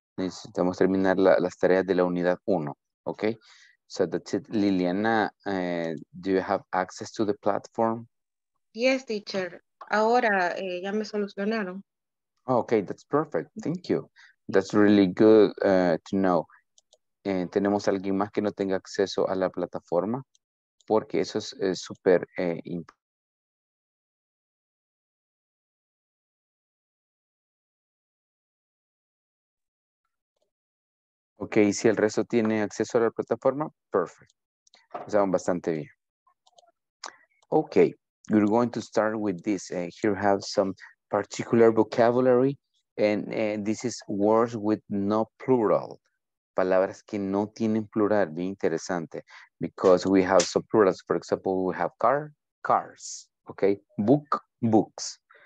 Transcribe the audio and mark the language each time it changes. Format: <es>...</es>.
<es>Necesitamos terminar las tareas de la unidad 1, okay?</es> <en>So that's it. Liliana, do you have access to the platform? Yes, teacher.</en> <es>Ahora ya me solucionaron.</es> <en>Okay, that's perfect. Thank you. That's really good to know.</en> <es>¿Tenemos alguien más que no tenga acceso a la plataforma? Porque eso es súper importante. Ok, si el resto tiene acceso a la plataforma, perfecto. O sea, bastante bien.</es> <en>Ok, we're going to start with this. Here have some particular vocabulary, and this is words with no plural.</en> <es>Palabras que no tienen plural, bien interesante.</es> <en>Because we have some plurals. For example, we have car, cars. Ok, book, books.</en>